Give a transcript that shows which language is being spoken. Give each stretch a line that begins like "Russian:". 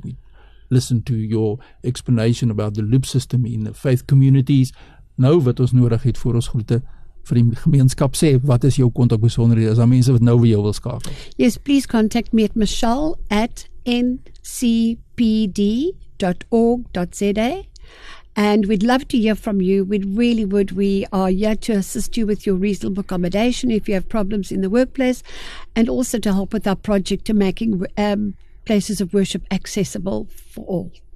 English: We listen to your explanation about the loop system in the faith communities.
Afrikaans: Nou wat ons nodig het vir ons groete, vir die gemeenskap sê, wat is jou kontakbesonderhede? Is daar mense wat nou vir jou wil skakel?
English: Yes, please contact me at michelle@ncpd.org.za, and we'd love to hear from you. We really would. We are here to assist you with your reasonable accommodation if you have problems in the workplace, and also to help with our project to making places of worship accessible for all.